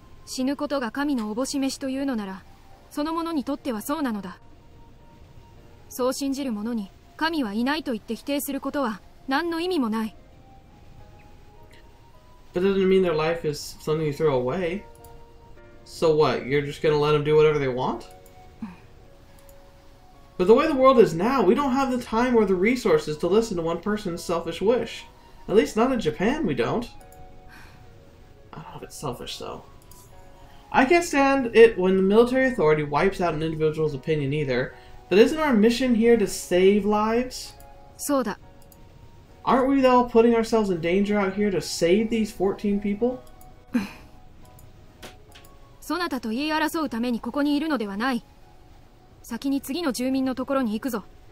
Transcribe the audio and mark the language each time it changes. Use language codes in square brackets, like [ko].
[ja] 死ぬことが神のおぼし召しというのなら、そのものにとってはそうなのだ。そう信じる者に神はいないと言って否定することは何の意味もない。 [en] But that doesn't mean their life is something you throw away. So what? You're just gonna let them do whatever they want? But the way the world is now, we don't have the time or the resources to listen to one person's selfish wish. At least not in Japan, we don't. I don't know if it's selfish, though. I can't stand it when the military authority wipes out an individual's opinion either, but isn't our mission here to save lives? [ja] そうだ。 [en] Aren't we all putting ourselves in danger out here to save these 14 people? [ja] そなたと言い争うためにここにいるのではない。先に次の住民のところに行くぞ。